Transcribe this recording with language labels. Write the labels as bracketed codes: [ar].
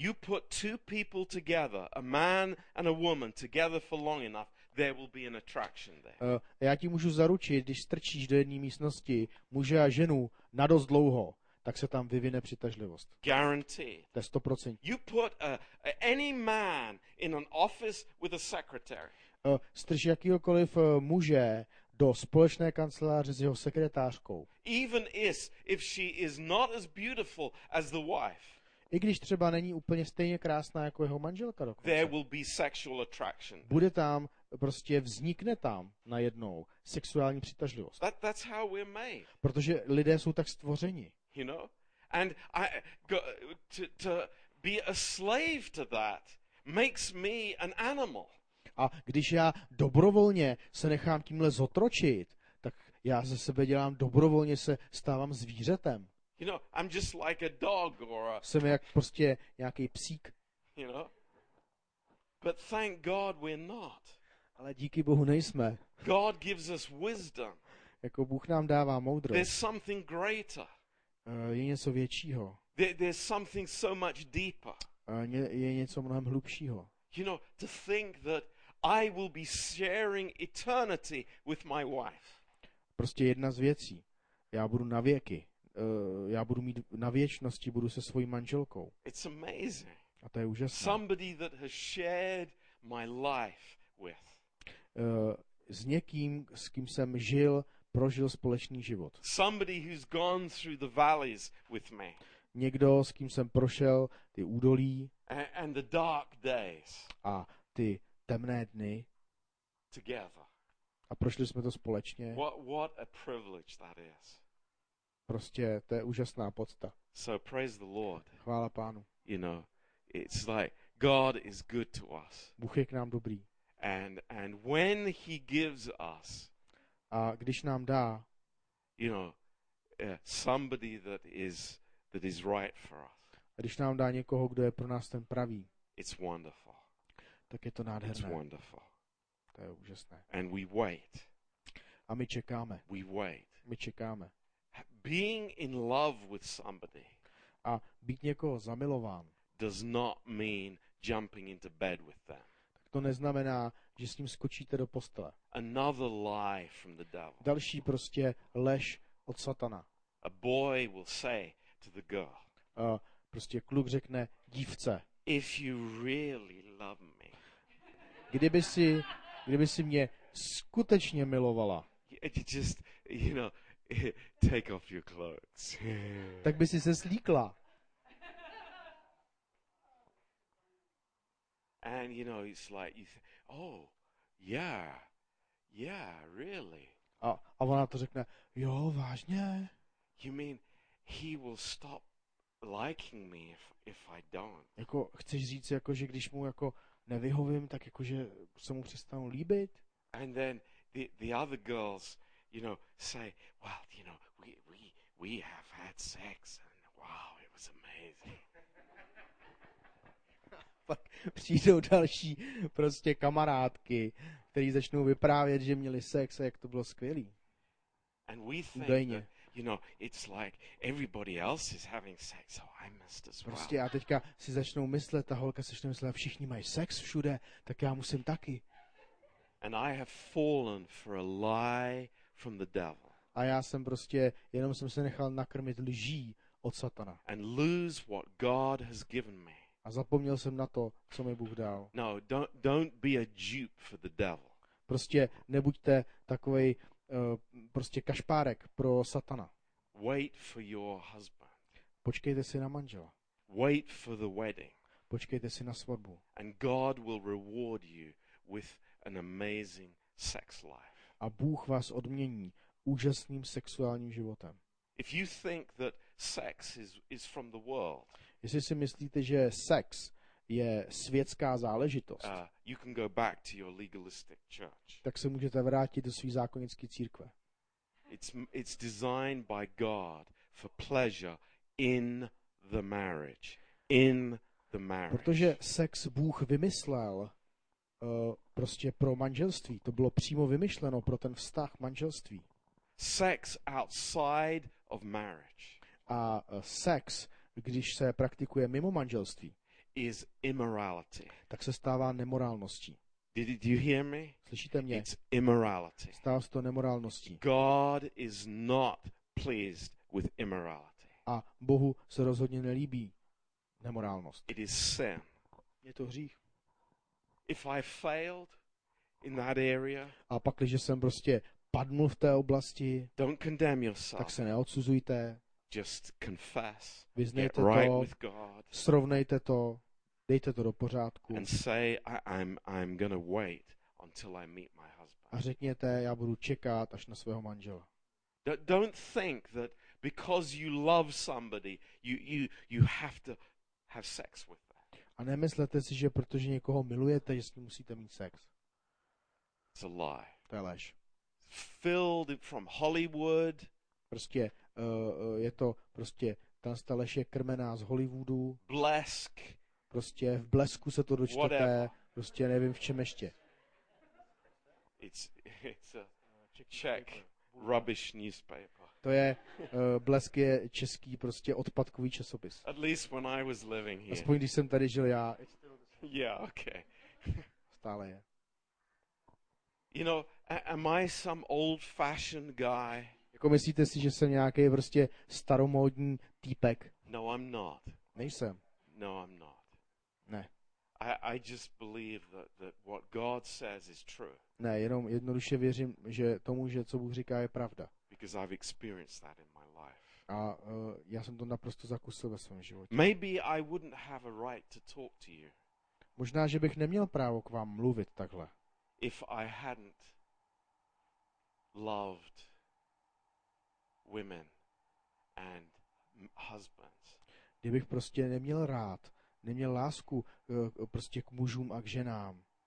[en] You put two people together, a man and a woman, together for long enough, there will be an attraction there. [cs] Já ti můžu zaručit, když strčíš do jedné místnosti muže a ženu na dost dlouho, tak se tam vyvine přitažlivost. [en] Guarantee. [cs] To je 100%. [en] You put any man in an office with a secretary. [cs] Strč jakýhokoliv muže do společné kanceláře s jeho sekretářkou. [en] Even if she is not as beautiful as the wife. [cs] I když třeba není úplně stejně krásná jako jeho manželka dokonce. [en] There will be sexual attraction. [cs] Bude tam prostě vznikne tam najednou sexuální přitažlivost. [en] That's how we're made. [cs] Protože lidé jsou tak stvořeni. [en] You know, and I to be a slave to that makes me an animal. [cs] A když já dobrovolně se nechám tímhle zotročit, tak já ze sebe dělám dobrovolně se stávám zvířetem. [en] You know, I'm just like a dog or a. [cs] Jsem jak prostě nějaký psík. [en] You know, but thank God we're not. [cs] Ale díky Bohu nejsme. [en] God gives us wisdom. [cs] Jako Bůh nám dává moudrost. [en] There's something greater. [cs] Je něco většího. [en] There's something so much deeper. [cs] Je něco mnohem hlubšího. [en] You know, to think that I will be sharing eternity with my wife. [cs] Prostě jedna z věcí. Já budu na věky. Já budu mít na věčnosti budu se svojí manželkou. [en] It's amazing. [cs] A to je úžasné. [en] Somebody that has shared my life with. [cs] S někým, s kým jsem žil. Prožil společný život. [en] Somebody who's gone through the valleys with me. [cs] Někdo, s kým jsem prošel ty údolí. [en] And the dark days. [cs] A ty temné dny. [en] Together. [cs] A prošli jsme to společně. [en] What a privilege that is. [cs] Prostě to je úžasná pocta. [en] So praise the Lord. [cs] Chvála Pánu. [en] You know, it's like God is good to us. [cs] Bůh je k nám dobrý. [en] And when he gives us. [cs] A když nám dá, [en] you know, somebody that is right for us. [cs] A když nám dá někoho, kdo je pro nás ten pravý. [en] It's wonderful. [cs] Tak je to nádherné. [en] It's wonderful. [cs] To je úžasné. [en] And we wait. [cs] A my čekáme. [en] We wait. [cs] My čekáme. [en] Being in love with somebody. [cs] A být někoho zamilován. [en] Does not mean jumping into bed with them. [cs] To neznamená, že s ním skočíte do postele. [en] Another lie from the devil. [cs] Další prostě lež od satana. [en] A boy will say to the girl. [cs] Prostě kluk řekne dívce. [en] If you really love me. [cs] Kdyby si mě skutečně milovala. [en] Just, you know, take off your clothes. [cs] Tak by si se slíkla. [en] And you know, it's like you say, oh, yeah, yeah, really. [cs] A ona to řekne, jo, vážně. [en] You mean he will stop liking me if I don't? [cs] Jako chceš říct, jako že když mu jako nevyhovím, tak jako že se mu přestanu líbit? [en] And then the other girls, you know, say, well, you know, we have had sex and wow, it was amazing. [cs] Pak přijdou další prostě kamarádky, který začnou vyprávět, že měli sex a jak to bylo skvělý. [en] And we think [cs] údajně. [en] That, you know, it's like everybody else is having sex, so I must as well. [cs] Prostě já teďka si začnou myslet, ta holka začne myslet, všichni mají sex všude, tak já musím taky. [en] And I have fallen for a lie from the devil. [cs] A já jsem prostě, jenom jsem se nechal nakrmit lží od satana. [en] And lose what God has given me. [cs] A zapomněl jsem na to, co mi Bůh dal. [en] No, don't be a dupe for the devil. [cs] Prostě nebuďte takovej prostě kašpárek pro satana. [en] Wait for your husband. [cs] Počkejte si na manžela. [en] Wait for the wedding. [cs] Počkejte si na svatbu. [en] And God will reward you with an amazing sex life. [cs] A Bůh vás odmění úžasným sexuálním životem. [en] If you think that sex is from the world, [cs] jestli si myslíte, že sex je světská záležitost, [en] you can go back to your legalistic church. [cs] Tak se můžete vrátit do své zákonické církve. [en] It's designed by God for pleasure in the marriage. In the marriage. [cs] Protože sex Bůh vymyslel prostě pro manželství. To bylo přímo vymyšleno pro ten vztah manželství. [en] Sex outside of marriage. [cs] A sex, když se praktikuje mimo manželství, [en] is immorality. [cs] Tak se stává nemorálností. [en] Did you hear me? [cs] Slyšíte mě? [en] It's immorality. [cs] Stává se to nemorálností. [en] God is not pleased with immorality. [cs] A Bohu se rozhodně nelíbí nemorálnost. [en] It is sin. [cs] Je to hřích. [en] If I failed in that area, [cs] a pak, když jsem prostě padnul v té oblasti, [en] don't condemn yourself. [cs] Tak se neodsuzujte. [en] Just confess. [cs] Vyznejte [en] get right [cs] to, [en] with God. [cs] Srovnejte to. Dejte to do pořádku. [en] And say I'm going to wait until I meet my husband. [cs] A řekněte, já budu čekat až na svého manžela. [en] Don't think that because you love somebody, you have to have sex with them. [cs] A nemyslete si, že protože někoho milujete, že s ním musíte mít sex. [en] It's a lie. [cs] To je lež. [en] Filled from Hollywood. [cs] Prostě je to prostě ta stále je krmená z Hollywoodu. Blesk. Prostě v blesku se to dočtete. [en] Whatever. [cs] Prostě nevím v čem ještě. [en] It's a Czech rubbish newspaper. [cs] To je blesk je český prostě odpadkový časopis. [en] At least when I was living here. [cs] Aspoň když jsem tady žil já. [en] Yeah, okay. [cs] Stále je. [en] You know, am I some old-fashioned guy? [cs] Jako myslíte si, že jsem nějaký prostě staromódní týpek? [en] No, I'm not. [cs] Nejsem. [en] No, I'm not. [cs] Ne. [en] I just believe that what God says is true. [cs] Ne, jenom jednoduše věřím, že tomu, že co Bůh říká, je pravda. [en] Because I've experienced that in my life. [cs] A já jsem to naprosto zakusil ve svém životě. [en] Maybe I wouldn't have a right to talk to you. [cs] Možná, že bych neměl právo k vám mluvit takhle. [en] If I hadn't loved women and husbands. [cs] Kdybych prostě neměl rád, neměl lásku prostě k mužům a k ženám.